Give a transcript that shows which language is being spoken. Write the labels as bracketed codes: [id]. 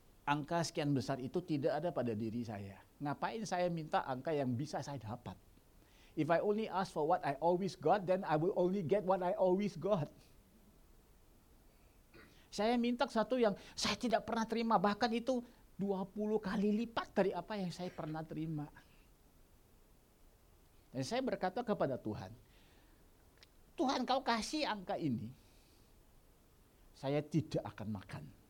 [id] Angka sekian besar itu tidak ada pada diri saya. Ngapain saya minta angka yang bisa saya dapat? [en] If I only ask for what I always got, then I will only get what I always got. [id] Saya minta satu yang saya tidak pernah terima, bahkan itu 20 kali lipat dari apa yang saya pernah terima. Dan saya berkata kepada Tuhan, Tuhan kau kasih angka ini, saya tidak akan makan.